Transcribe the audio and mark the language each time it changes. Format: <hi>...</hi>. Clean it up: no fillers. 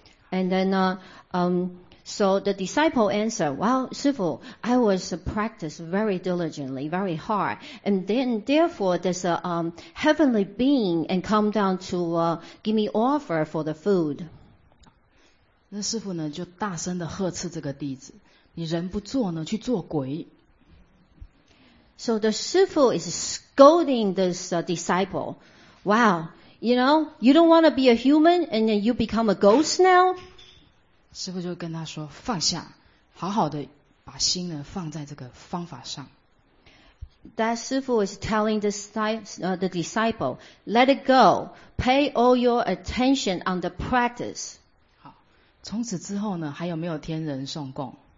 <en>And then, so the disciple answered, "Well, shifu, I was practiced very diligently, very hard. And then, therefore, there's a heavenly being and come down to give me offer for the food."</en> <zh>那师父呢，就大声地呵斥这个弟子，你人不做呢，去做鬼。</zh> <en>So the shifu is scolding this disciple. Wow, you know, you don't want to be a human and then you become a ghost now?</en> <zh>师父就跟他说放下，好好的把心呢放在这个方法上。</zh> <en>That 师父 is telling the disciple, let it go, pay all your attention on the practice.</en> <zh>好，从此之后呢，还有没有天人送供？</zh>